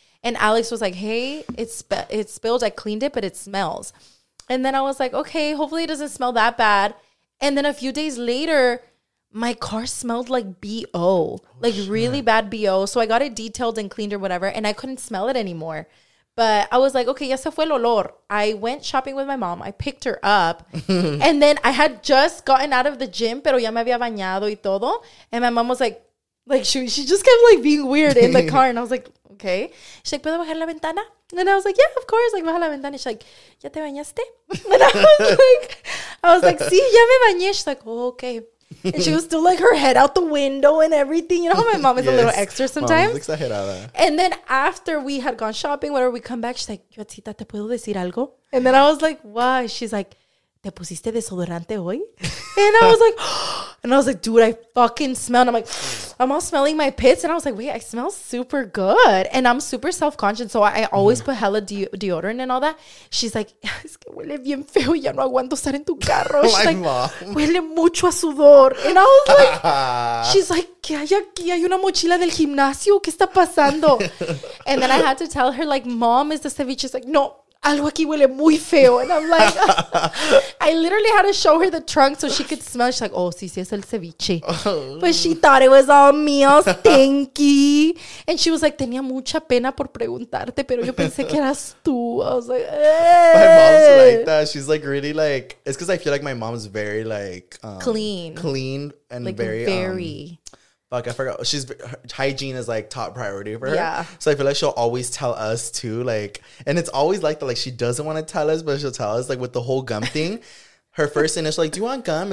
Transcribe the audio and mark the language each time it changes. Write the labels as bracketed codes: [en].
[en] And Alex was like, hey, it spilled. I cleaned it, but it smells. And then I was like, okay, hopefully it doesn't smell that bad. And then a few days later, my car smelled like BO, really bad BO. So I got it detailed and cleaned or whatever, and I couldn't smell it anymore. But I was like, okay, [es] ya se fue el olor. [en] I went shopping with my mom. I picked her up. And then I had just gotten out of the gym, [es] pero ya me había bañado y todo. [en] And my mom was like she just kept like being weird in the car. And I was like, okay. She's like, [es] ¿puedo bajar la ventana? [en] And I was like, yeah, of course. Like, [es] baja la ventana. [en] She's like, [es] ¿ya te bañaste? [en] And I was like, [es] sí, ya me bañé. [en] She's like, oh, okay. And she was still like her head out the window and everything. You know how my mom is a little extra sometimes? Mom's exagerada. And then after we had gone shopping, whatever, we come back, she's like, [es] yo, tita, ¿te puedo decir algo? [en] And then I was like, why? She's like, [es] ¿te pusiste desodorante hoy? [en] And I was like, dude, I fucking smell. And I'm like, I'm all smelling my pits. And I was like, wait, I smell super good. And I'm super self-conscious. So I always put hella deodorant and all that. She's like, [es] es que huele bien feo. Ya no aguanto estar en tu carro. [en] She's like, mom. [es] Huele mucho a sudor. [en] And I was like, she's like, [es] ¿qué hay aquí? ¿Hay una mochila del gimnasio? ¿Qué está pasando? [en] And then I had to tell her, like, mom, is the ceviche? She's like, no. [es] Algo aquí huele muy feo. [en] And I'm like, I literally had to show her the trunk so she could smell. She's like, oh, [es] sí, sí, es el ceviche. [en] But she thought it was all me, all stinky. And she was like, [es] tenía mucha pena por preguntarte, pero yo pensé que eras tú. [en] I was like, My mom's like that. She's like, really like, it's because I feel like my mom's very like, clean and like very. Fuck, I forgot. Hygiene is like top priority for her. Yeah. So I feel like she'll always tell us too. Like, and it's always like that. Like, she doesn't want to tell us, but she'll tell us. Like, with the whole gum thing, her first initial, like, do you want gum?